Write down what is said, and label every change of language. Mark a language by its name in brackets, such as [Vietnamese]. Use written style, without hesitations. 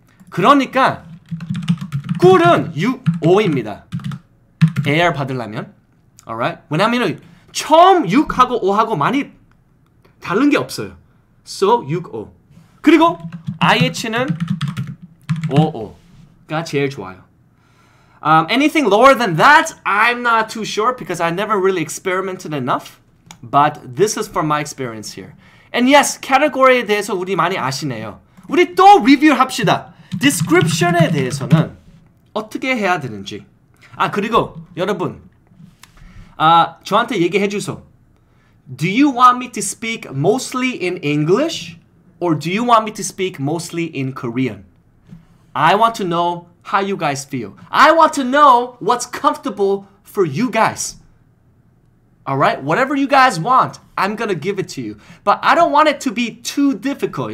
[Korean] 그러니까 꿀은 6, 5입니다. AR 받으려면. [English] Alright? [Korean] 왜냐면 처음 6하고 5하고 많이 다른 게 없어요. [English] So 6, 5. [Korean] 그리고 IH는 5, 5가 제일 좋아요. [English] Anything lower than that, I'm not too sure because I never really experimented enough. But this is from my experience here. And yes, [Korean] category에 대해서 우리 많이 아시네요. 우리 또 리뷰 합시다. Description에 대해서는 어떻게 해야 되는지. 아, 그리고 여러분, 저한테 얘기해 주소. [English] Do you want me to speak mostly in English? Or do you want me to speak mostly in Korean? I want to know how you guys feel. I want to know what's comfortable for you guys. Alright? Whatever you guys want, I'm gonna give it to you. But I don't want it to be too difficult.